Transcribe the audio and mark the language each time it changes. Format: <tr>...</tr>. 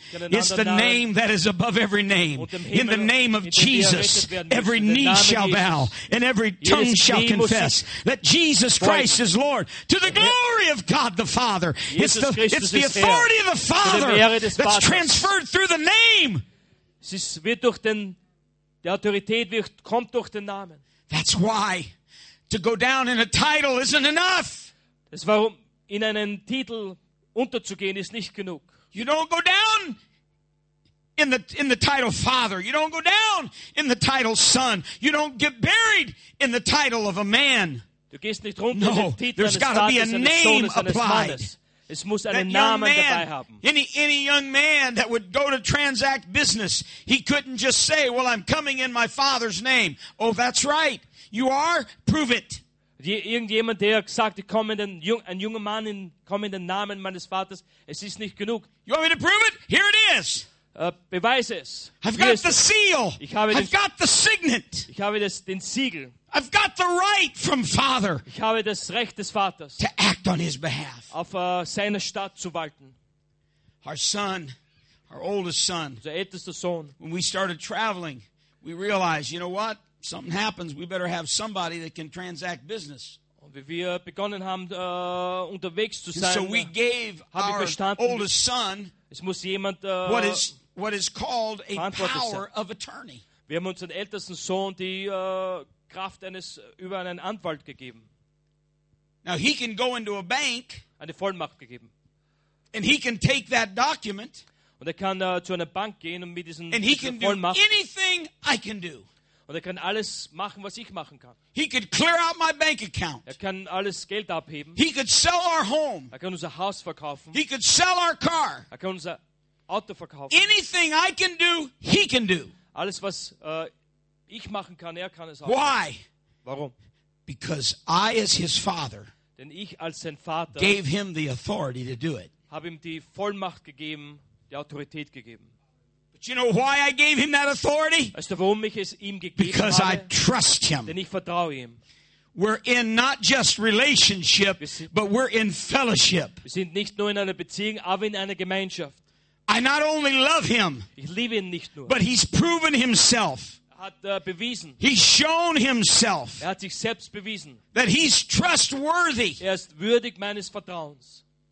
<en>It's the name that is above every name. In the name of Jesus, every knee shall bow and every tongue shall confess that Jesus Christ is Lord. To the glory of God the Father. It's the authority of the Father that's transferred through the name.</en> <de>Es wird durch den die Autorität wird, kommt durch den Namen.</de> <en>That's why to go down in a title isn't enough.</en> <de>Das ist warum in einen Titel unterzugehen ist nicht genug.</de> <en>You don't go down in the title Father. You don't go down in the title Son. You don't get buried in the title of a man.</en> <de>Du gehst nicht runter no, in den Titel</de> <en>there's got to be a name applied.</en> <de>Es muss einen</de> <en>that</en> <de>Namen man, dabei haben.</de> <en>Any young man that would go to transact business, he couldn't just say, well, I'm coming in my father's name. Oh, that's right. You are? Prove it.</en> <de>Irgendjemand, der gesagt hat, ein junger Mann, in, komm in den Namen meines Vaters, es ist nicht genug.</de> <en>You want me to prove it? Here it is.</en> <de>Beweis es.</de> <en>I've got the seal. I've got the signet.</en> <de>Ich habe den Siegel.</de> <en>I've got the right from Father.</en> <de>Ich habe das Recht des Vaters.</de> <en>To act on his behalf.</en> <de>Auf seine Stadt zu walten.</de> <en>Our son, our oldest son.</en> <de>Unser ältester Sohn.</de> <en>When we started traveling, we realized, you know what? Something happens. We better have somebody that can transact business.</en> <de>Und wie wir begonnen haben, unterwegs zu sein.</de> <en>So we gave our oldest son.</en> <de>Es muss jemand.</de> <en>What is called a power</en> <de>sein.</de> <en>Of attorney.</en> <de>Wir haben unseren ältesten Sohn die Kraft eines über einen Anwalt gegeben.</de> <en>Now he can go into a bank.</en> <de>Eine Vollmacht gegeben.</de> <en>And he can take that document.</en> <de>Und kann zu einer Bank gehen und mit diesen</de> <en>and he can</en> <de>Vollmacht.</de> <en>Do anything I can do.</en> <de>Und kann alles machen, was ich machen kann.</de> <en>He could clear out my bank account.</en> <de>Kann alles Geld abheben.</de> <en>He could sell our home.</en> <de>Kann unser Haus verkaufen.</de> <en>He could sell our car.</en> <de>Kann unser Auto verkaufen.</de> <en>Anything I can do, he can do.</en> <de>Alles was ich machen kann, kann es auch.</de> <en>Why?</en> <de>Warum?</de> <en>Because I, as his father,</en> <de>denn ich als sein Vater,</de> <en>gave him the authority to do it.</en> <de>Habe ihm die Vollmacht gegeben, die Autorität gegeben.</de> <en>But you know why I gave him that authority?</en> <de>Weißt du, warum ich es ihm gegeben</de> <en>Because</en> <de>habe?</de> <en>I trust him.</en> <de>Denn ich vertraue ihm.</de> <en>We're in not just relationship, but we're in fellowship.</en> <de>Wir sind nicht nur in einer Beziehung, aber in einer Gemeinschaft.</de> <en>I not only love him,</en> <de>ich liebe ihn nicht nur,</de> <en>but he's proven himself.</en> <de>Hat, bewiesen,</de> <en>he's shown himself</en> <de>hat sich selbst bewiesen,</de> <en>that he's trustworthy.</en> <de>Ist würdig meines Vertrauens.</de>